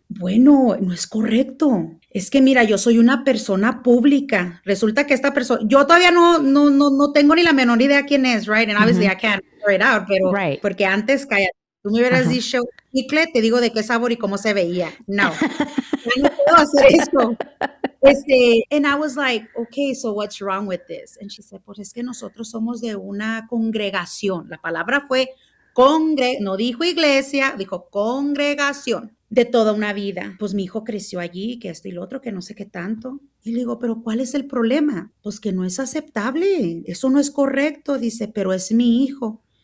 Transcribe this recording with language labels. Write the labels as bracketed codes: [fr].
[es] Bueno, no es correcto. Es que mira, yo soy una persona pública. Resulta que esta persona, yo todavía no tengo ni la menor idea quién es, right? [en] And obviously uh-huh. I can't figure it out, pero right. Porque antes, cállate. Tú me hubieras uh-huh. [es] dicho, chicle, te digo de qué sabor y cómo se veía. No, no puedo hacer eso. [en] And I was like, okay, so what's wrong with this? [es] And she said, pues es que nosotros somos de una congregación. La palabra fue no dijo iglesia, dijo congregación de toda una vida. Pues mi hijo creció allí, que esto y lo otro, que no sé qué tanto. Y le digo, pero ¿cuál es el problema? Pues que no es aceptable, eso no es correcto. Dice, pero es mi hijo.